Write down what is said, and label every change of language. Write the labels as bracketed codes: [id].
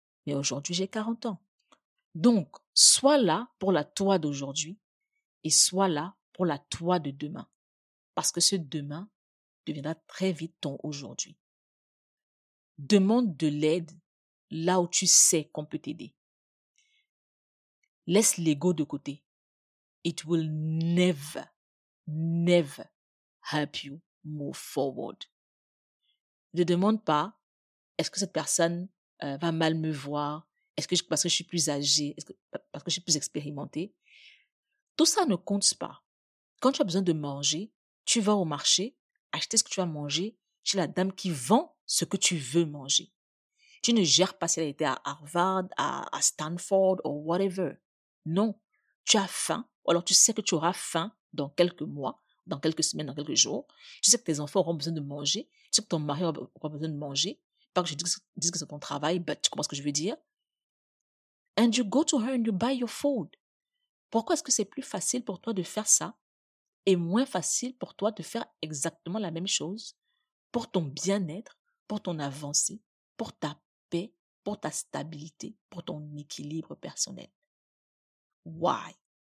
[fr] Mais aujourd'hui, j'ai 40 ans. Donc, sois là pour la toi d'aujourd'hui et sois là pour la toi de demain. Parce que ce demain deviendra très vite ton aujourd'hui. Demande de l'aide là où tu sais qu'on peut t'aider. Laisse l'ego de côté. [en] It will never, never help you move forward. [fr] Ne demande pas, est-ce que cette personne va mal me voir? Parce que je suis plus âgée? Parce que je suis plus expérimentée? Tout ça ne compte pas. Quand tu as besoin de manger, tu vas au marché, acheter ce que tu vas manger chez la dame qui vend ce que tu veux manger. Tu ne gères pas si elle était à Harvard, à Stanford ou whatever. Non, tu as faim, ou alors tu sais que tu auras faim dans quelques mois, dans quelques semaines, dans quelques jours. Tu sais que tes enfants auront besoin de manger, tu sais que ton mari aura besoin de manger, pas que je dise que c'est ton travail, mais tu comprends ce que je veux dire. [en] And you go to her and you buy your food. [fr] Pourquoi est-ce que c'est plus facile pour toi de faire ça et moins facile pour toi de faire exactement la même chose pour ton bien-être, pour ton avancée, pour ta paix, pour ta stabilité, pour ton équilibre personnel? Why?